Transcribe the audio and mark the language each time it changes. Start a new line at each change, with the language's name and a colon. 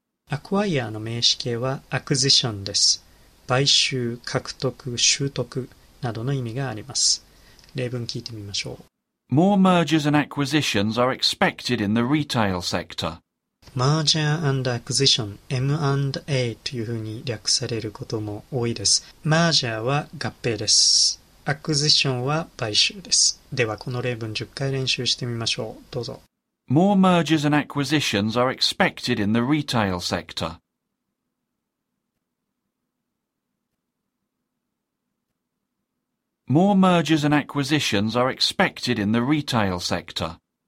Japanese: Acquire の名詞形は acquisition です。買収、獲得、習得などの意味があります。例文聞いてみましょう。
English: More mergers and acquisitions are expected in the retail sector. Merger and acquisition,
Japanese: M&A というふうに略されることも多いです。 Merger は合併です。Acquisition は買収です。ではこの例文10回練習してみましょう。どうぞ。
English: More mergers and acquisitions are expected in the retail sector. More mergers and acquisitions are expected in the retail sector.